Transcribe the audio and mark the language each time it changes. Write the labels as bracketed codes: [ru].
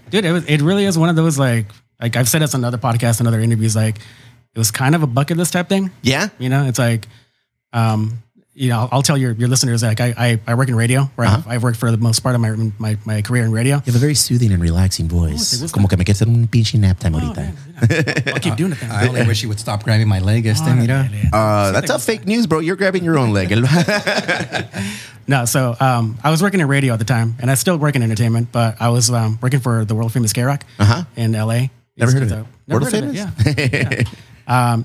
[en] Dude, it really is one of those like I've said this on other podcasts and other interviews. Like, it was kind of a bucket list type thing. Yeah, you know, it's like. You know, I'll tell your listeners that like I work in radio, right? Uh-huh. I've worked for the most part of my career in radio. You have a very soothing and relaxing voice. [es] Oh, como que me quedé en un pinche [en] nap time [es] ahorita. [en] I'll keep doing it. I only wish you would stop grabbing my leg, [es] este, mira. [en] That's a fake news, bro. You're grabbing your own leg. No, so I was working in radio at the time, and I still work in entertainment, but I was working for the world famous K-Rock in L.A. Never heard of it. World famous? Yeah.